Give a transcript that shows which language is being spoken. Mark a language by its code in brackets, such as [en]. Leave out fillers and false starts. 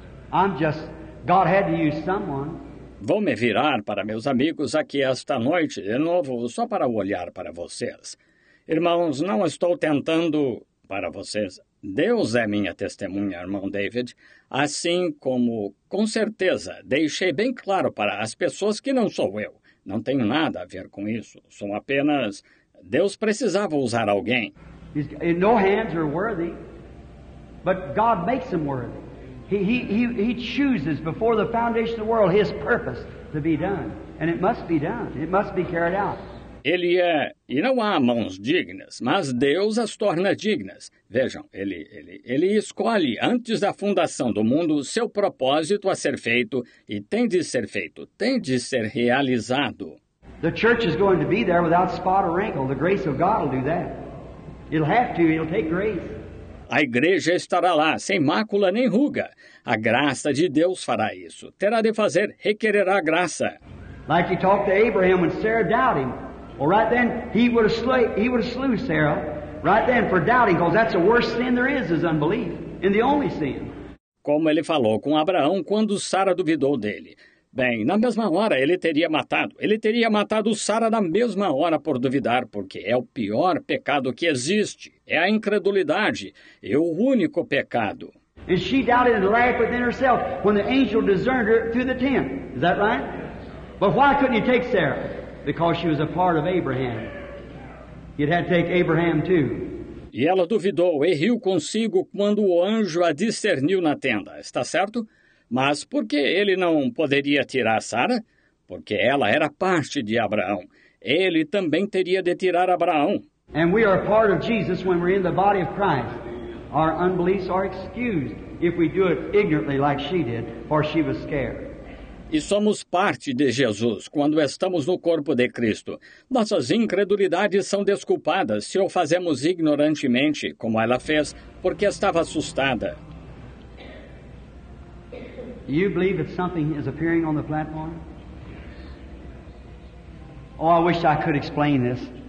[en] I'm just, God had to use someone. [pt] Vou me virar para meus amigos aqui esta noite, de novo, só para olhar para vocês. Irmãos, não estou tentando para vocês. Deus é minha testemunha, irmão David, assim como, com certeza, deixei bem claro para as pessoas que não sou eu. Não tenho nada a ver com isso. Sou apenas... Deus precisava usar alguém. [en] No hands are worthy, but God makes them worthy. He chooses before the foundation of the world His purpose to be done. And it must be done. It must be carried out. [pt] Ele é, e não há mãos dignas, mas Deus as torna dignas. Vejam, ele escolhe, antes da fundação do mundo, o seu propósito a ser feito, e tem de ser feito, tem de ser realizado. [en] The church is going to be there without spot or wrinkle. The grace of God will do that. It'll have to, it'll take grace. [pt] A igreja estará lá, sem mácula nem ruga. A graça de Deus fará isso. Terá de fazer, requererá graça. [en] Like you talked to Abraham when Sarah doubted him. Well, right then, he would have slew Sarah, right then, for doubting, because that's the worst sin there is unbelief, and the only sin. [pt] Como ele falou com Abraão quando Sara duvidou dele. Bem, na mesma hora ele teria matado. Ele teria matado Sara na mesma hora por duvidar, porque é o pior pecado que existe. É a incredulidade. É o único pecado. [en] And she doubted and laughed within herself when the angel discerned her through the tent. Is that right? But why couldn't you take Sarah? Because she was a part of Abraham. You'd have to take Abraham too. [pt] E ela duvidou e riu consigo quando o anjo a discerniu na tenda. Está certo? Mas por que ele não poderia tirar Sara? Porque ela era parte de Abraão. Ele também teria de tirar Abraão. [en] And we are part of Jesus when we're in the body of Christ. Our unbeliefs are excused if we do it ignorantly like she did, for she was scared. [pt] E somos parte de Jesus quando estamos no corpo de Cristo. Nossas incredulidades são desculpadas se o fazemos ignorantemente, como ela fez, porque estava assustada. [en] You believe that something is appearing on the platform? Oh, I wish I could explain this.